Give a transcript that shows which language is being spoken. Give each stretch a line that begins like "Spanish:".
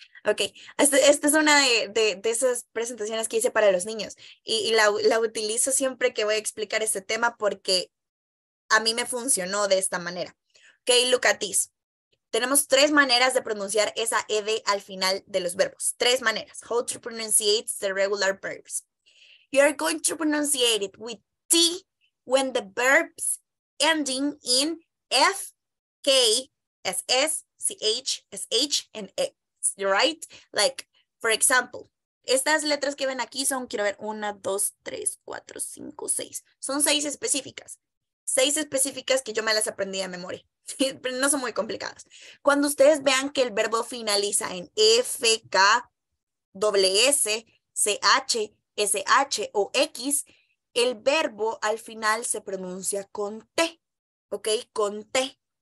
Spanish: Ok, esta es una de esas presentaciones que hice para los niños. Y la utilizo siempre que voy a explicar este tema porque a mí me funcionó de esta manera. Ok,
English: look at this.
Spanish: Tenemos tres maneras de pronunciar esa ed al final de los verbos. Tres maneras.
English: How to pronunciate the regular verbs. You are going to pronunciate it with T when the verbs ending in F, K, S, C-H, S-H, and S. You're right? Like, for example,
Spanish: estas letras que ven aquí son, quiero ver, 1, 2, 3, 4, 5, 6. Son 6 específicas. 6 específicas que yo me las aprendí de memoria. No son muy complicadas. Cuando ustedes vean que el verbo finaliza en F, K, S, C, H, S, H o X, el verbo al final se pronuncia con T. ¿Ok? Con T.